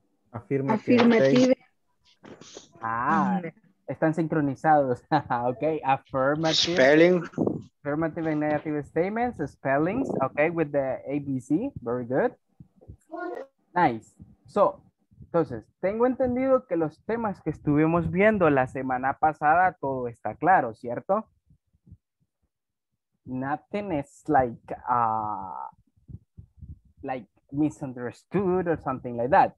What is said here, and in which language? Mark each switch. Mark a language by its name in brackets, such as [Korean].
[English] Affirmative. [Spanish] Ah, están sincronizados. Okay, affirmative. [English] Spelling. Affirmative and negative statements, spellings, okay, with the ABC, very good. Nice. [Spanish] So, entonces, tengo entendido que los temas que estuvimos viendo la semana pasada, todo está claro, ¿cierto? [English] Nothing is like misunderstood or something like that.